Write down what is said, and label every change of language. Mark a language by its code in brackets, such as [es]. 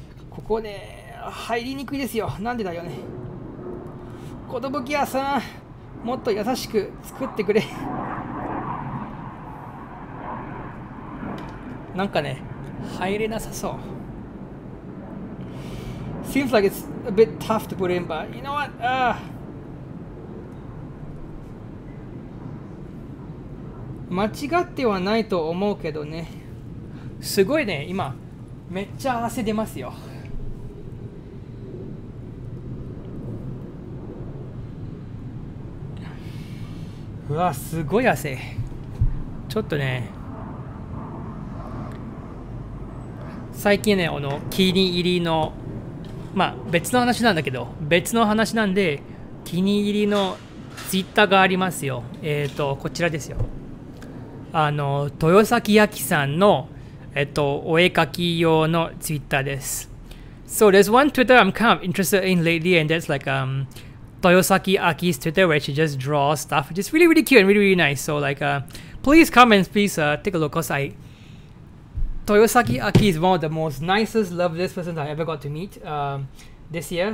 [ja] ここね、入りにくいですよ。なんでだよね。Kotobukiyaさん、もっと優しく作ってくれ。なんかね、入れなさそう。 [en] Seems like it's a bit tough to put in, but you know what? [ja] 間違ってはないと思うけどね。すごいね、今めっちゃ汗出ますよ。うわ、すごい汗。ちょっとね、最近ね、気に入りの、まあ別の話なんだけど、別の話なんで、気に入りのツイッターがありますよ。こちらですよ。豊崎焼さんの、お絵描き用のツイッターです。 [en] So there's one Twitter I'm kind of interested in lately, and that's like Toyosaki Aki's Twitter, where she just draws stuff. It's really, really cute and really, really nice. So like please come and please take a look, cause Toyosaki Aki is one of the most nicest, loveliest persons I ever got to meet this year.